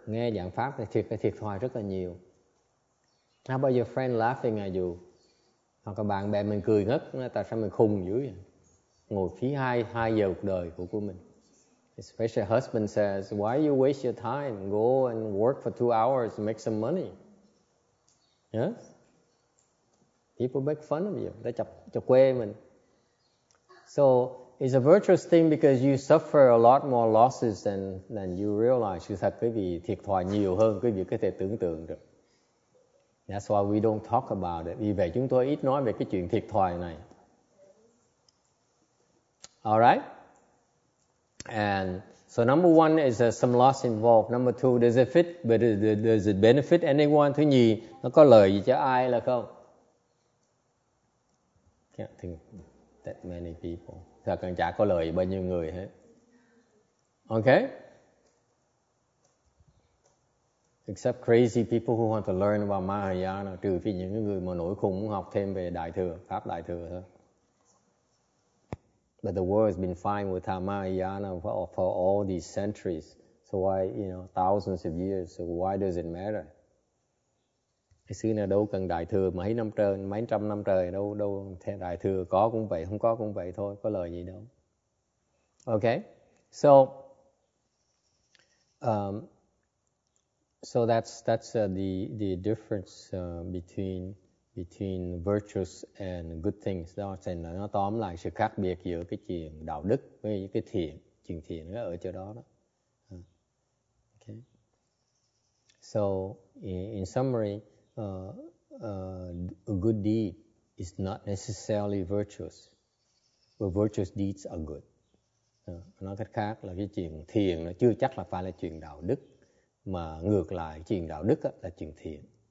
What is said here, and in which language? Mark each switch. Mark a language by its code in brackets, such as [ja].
[vi] Nghe giảng pháp thì thiệt thòi rất là nhiều. [en] How about your friend laughing at you? [vi] Hoặc là bạn bè mình cười ngất, tại sao mình khùng dữ vậy? Ngồi phí hai giờ cuộc đời của mình. [en] Especially husband says, why you waste your time? Go and work for 2 hours, make some money. Yes? People make fun of you. They [vi] chọc quê mình. [en] So it's a virtuous thing because you suffer a lot more losses than you realize. [vi] Sự thật, quý vị thiệt thòi nhiều hơn quý vị có thể tưởng tượng được. [en] That's why we don't talk about it. [vi] Vì vậy chúng tôi ít nói về cái chuyện thiệt thòi này. [en] All right? And so number one is some loss involved. Number two, does it fit? But does it benefit anyone? [vi] Thứ nhì, nó có lợi gì cho ai là không? [en] Can't think that many people. [vi] Thật là chả có lợi bao nhiêu người hết. Okay? [en] Except crazy people who want to learn about Mahayana, [vi] trừ phi những người mà nổi khùng muốn học thêm về Đại Thừa, Pháp Đại Thừa thôi. [en] But the world has been fine with Mahayana for all these centuries. So why, you know, thousands of years, so why does it matter? [vi] Cái xứ này đâu cần Đại Thừa mấy trăm năm trời, đâu Đại Thừa có cũng vậy, không có cũng vậy thôi, có lời gì đâu. [en] Okay, so so that's the difference between virtues and good things. [vi] Đó là nó tóm lại sự khác biệt giữa cái chuyện đạo đức với cái thiện, chuyện thiện nó ở chỗ đó đó. [en] Okay. So in summary, a good deed is not necessarily virtuous, but virtuous deeds are good. [vi] Nói cách khác là cái chuyện thiện nó chưa chắc là phải là chuyện đạo đức. Mà ngược lại, chuyện đạo đức á, là chuyện thiện.